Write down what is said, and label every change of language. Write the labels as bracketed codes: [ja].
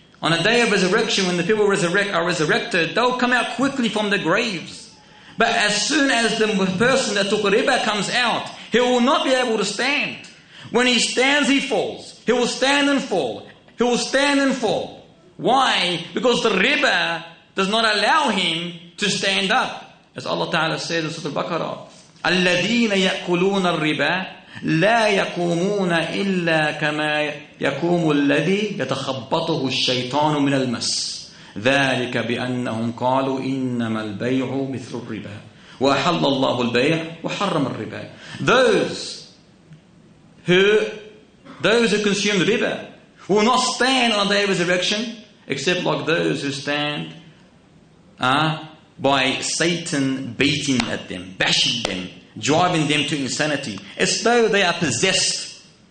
[en] On a day of resurrection, when the people are resurrected, they'll come out quickly from the graves. But as soon as the person that took riba comes out, he will not be able to stand. When he stands, he falls. He will stand and fall. He will stand and fall. Why? Because the riba does not allow him to stand up. As Allah Ta'ala says in Surah Al-Baqarah, [ar] الَّذِينَ يَأْكُلُونَ الرِّبَى لَا يَقُومُونَ إِلَّا كَمَا يَقُومُ الَّذِي يَتَخَبَّطُهُ الشَّيْطَانُ مِنَ الْمَسِّ. ذلك بأنهم قالوا إنما البيع مثل الربا وأحل الله البيع وحرم الربا. [en] Those who consume the riba will not stand on the day of resurrection except like those who stand by Satan beating at them, bashing them, driving them to insanity, as though they are possessed.